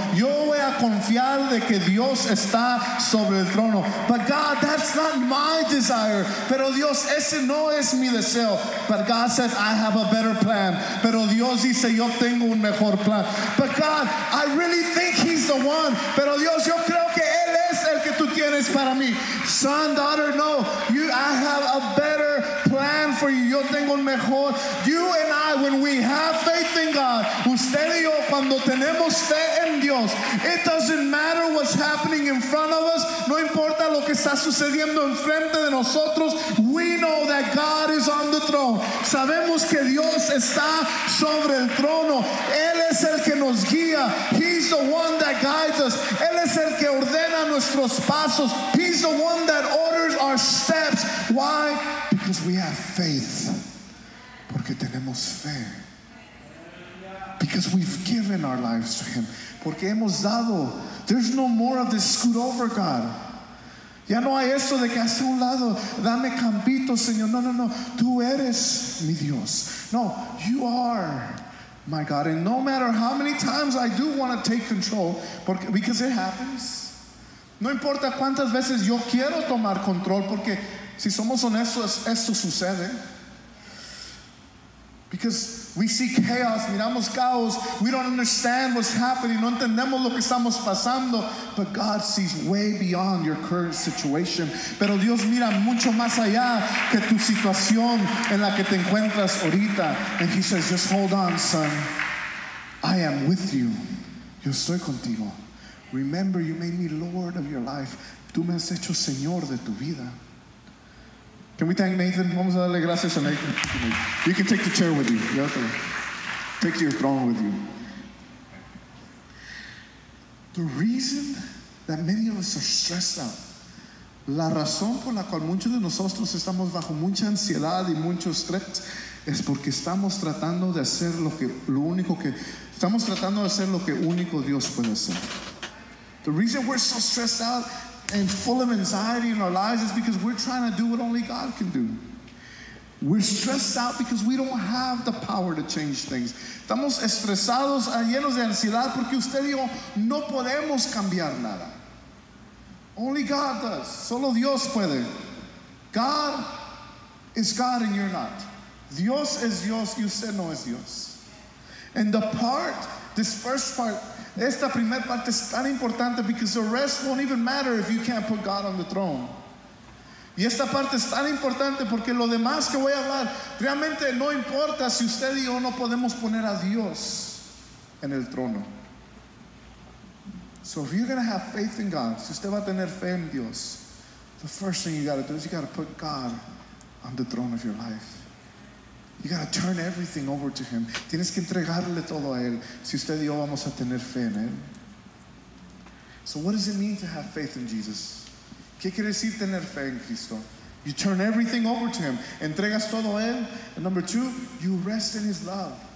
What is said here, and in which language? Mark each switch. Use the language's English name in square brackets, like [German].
[Spanish] Yo voy a confiar de que Dios está sobre el trono. [English] But God, that's not my desire. [Spanish] Pero Dios, ese no es mi deseo. [English] But God says, I have a better plan. [Spanish] Pero Dios dice, yo tengo un mejor plan. [English] But God, I really think he's the one. [Spanish] Pero Dios, yo creo que él es el que tú tienes para mí. [English] Son, daughter, no. I have a better plan for you. [Spanish] Yo tengo un mejor. [English] You and I, when we have faith in God, [Spanish] usted y yo, cuando tenemos fe en Dios, [English] it doesn't matter what's happening in front of us. [Spanish] No importa lo que está sucediendo enfrente de nosotros. [English] We know that God is on the throne. [Spanish] Sabemos que Dios está sobre el trono. Él es el que nos guía. [English] He's the one that guides us. [Spanish] Él es el que ordena nuestros pasos. [English] He's the one that orders our steps. Why? Because we have faith. [Spanish] Porque tenemos fe. [English] Because we've given our lives to him. [Spanish] Porque hemos dado. [English] There's no more of this scoot over, God. [Spanish] Ya no hay eso de que hace un lado, dame campito, Señor. No, no, no. Tú eres mi Dios. No, [English] you are my God. And no matter how many times I do want to take control, porque, because it happens. [Spanish] No importa cuántas veces yo quiero tomar control, porque si somos honestos, esto sucede. [English] Because we see chaos, [Spanish] miramos caos, [English] we don't understand what's happening, [Spanish] no entendemos lo que estamos pasando, [English] but God sees way beyond your current situation. [Spanish] Pero Dios mira mucho más allá que tu situación en la que te encuentras ahorita. [English] And he says, just hold on, son. I am with you. [Spanish] Yo estoy contigo. [English] Remember, you made me Lord of your life. [Spanish] Tú me has hecho Señor de tu vida. [English] Can we thank Nathan? [Spanish] Vamos a darle gracias a Nathan. [English] You can take the chair with you. You have to take your throne with you. The reason that many of us are stressed out, [Spanish] la razón por la cual muchos de nosotros estamos bajo mucha ansiedad y mucho estrés, es porque estamos tratando de hacer lo único Dios puede hacer. [English] The reason we're so stressed out and full of anxiety in our lives is because we're trying to do what only God can do. We're stressed out because we don't have the power to change things. [Spanish] Estamos estresados, llenos de ansiedad, porque usted y yo no podemos cambiar nada. [English] Only God does. [Spanish] Solo Dios puede. [English] God is God and you're not. [Spanish] Dios es Dios y usted no es Dios. [English] And the part, this first part, [Spanish] esta primer parte es tan importante, [English] because the rest won't even matter if you can't put God on the throne. [Spanish] Y esta parte es tan importante porque lo demás que voy a hablar realmente no importa si usted y yo no podemos poner a Dios en el trono. [English] So if you're going to have faith in God, [Spanish] si usted va a tener fe en Dios, [English] the first thing you got to do is you got to put God on the throne of your life. You gotta turn everything over to him. [Spanish] Tienes que entregarle todo a él si usted y yo vamos a tener fe en él. [English] So what does it mean to have faith in Jesus? [Spanish] ¿Qué quiere decir tener fe en Cristo? [English] You turn everything over to him. [Spanish] Entregas todo a él. [English] And number two, you rest in his love.